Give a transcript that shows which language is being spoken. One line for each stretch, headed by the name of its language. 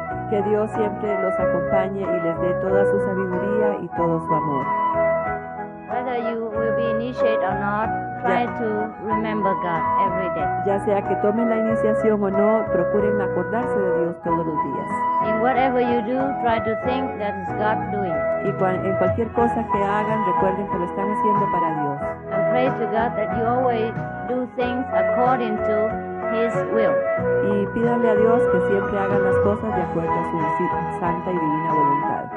Spanish: Que Dios siempre los acompañe y les dé toda su sabiduría y todo su amor.
English: Whether you will be initiated or not, try to remember God every day.
Spanish: Ya sea que tomen la iniciación o no, procuren acordarse de Dios todos los días.
English: In whatever you do, try to think that is God doing.
Spanish: Y en cualquier cosa que hagan, recuerden que lo están haciendo para Dios.
English: And pray to God that you always do things according to His will.
Spanish: Y pídanle a Dios que siempre hagan las cosas de acuerdo a su santa y divina voluntad.